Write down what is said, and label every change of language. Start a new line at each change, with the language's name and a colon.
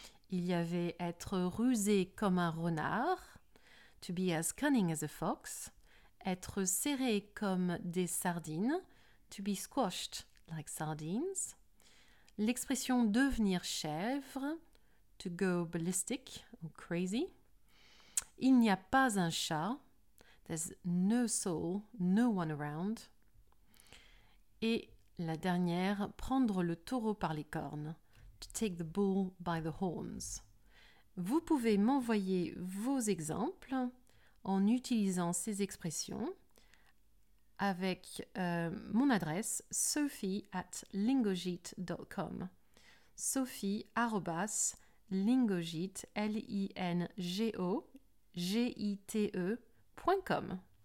French: Il y avait être rusé comme un renard,
English: to be as cunning as a fox,
French: être serré comme des sardines,
English: to be squashed like sardines,
French: l'expression devenir chèvre,
English: to go ballistic or crazy,
French: il n'y a pas un chat,
English: there's no soul, no one around,
French: et la dernière, prendre le taureau par les cornes.
English: To take the bull by the horns.
French: Vous pouvez m'envoyer vos exemples en utilisant ces expressions avec mon adresse sophie@lingogite.com. sophie@lingogite.com.